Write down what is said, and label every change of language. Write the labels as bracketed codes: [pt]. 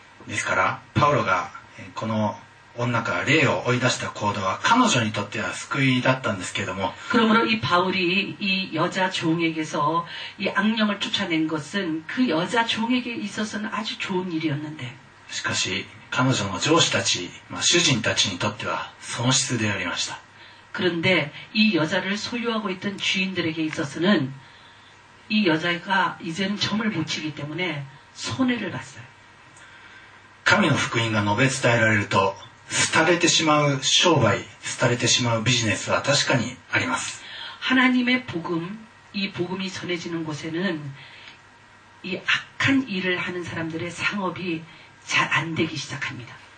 [ja] ですからパウロがこの女から霊を追い出した行動は彼女にとっては救いだったんですけれども [ko] 그러므로이바울이이여자종에게서이악령을쫓아낸것은그여자종에게있어서는아주좋은일이었는데 [ja] しかし彼女の上司たち、まあ、主人たちにとっては損失でありました [ko] 그런데이여자를소유하고있던주인들에게있어서는 이 여자가이제는점을못치기때문에손해를봤어요 [ja] 神の福音が述べ伝えられると廃れてしまう商売廃れてしまうビジネスは確かにあります [ko] 하나님의복음이복음이전해지는곳에는이악한일을하는사람들의상업이잘안되기시작합니다